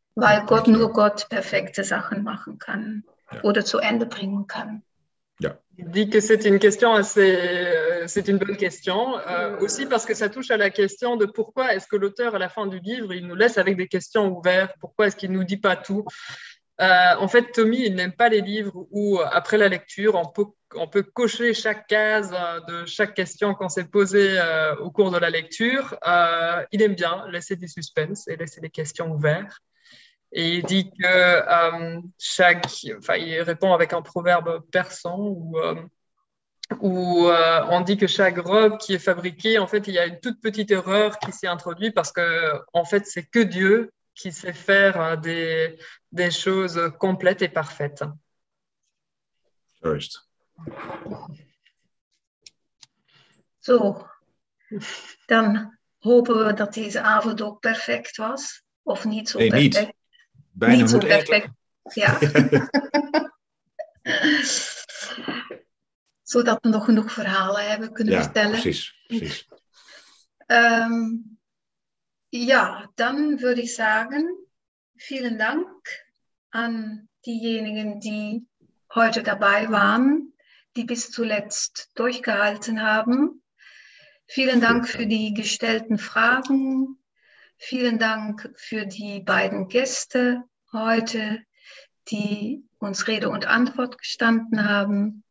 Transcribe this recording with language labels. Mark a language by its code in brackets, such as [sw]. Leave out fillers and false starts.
[de] Weil Gott nur Gott perfekte Sachen machen kann, ja, oder zu Ende bringen kann. Ja. [fr] Il dit que c'est une question assez, c'est une bonne question, aussi parce que ça touche à la question de pourquoi est-ce que l'auteur, à la fin du livre, il nous laisse avec des questions ouvertes, pourquoi est-ce qu'il ne nous dit pas tout. En fait, Tommy, il n'aime pas les livres où, après la lecture, on peut cocher chaque case de chaque question qu'on s'est posée au cours de la lecture. Il aime bien laisser du suspense et laisser des questions ouvertes. Et il dit que il répond avec un proverbe persan où on dit que chaque robe qui est fabriquée, en fait, il y a une toute petite erreur qui s'est introduite parce que, en fait, c'est que Dieu qui sait faire des choses complètes et parfaites. First. [de] So, dann [nl] hopen we dat deze avond ook perfect was, of niet zo perfect. Bijna niet zo perfect, ja. Zodat we nog genoeg verhalen hebben kunnen vertellen. Ja, precies. [de] Ja, dan würde ich sagen, vielen Dank an diejenigen, die heute dabei waren, die bis zuletzt durchgehalten haben. Vielen Dank für die gestellten Fragen. Vielen Dank für die beiden Gäste heute, die uns Rede und Antwort gestanden haben.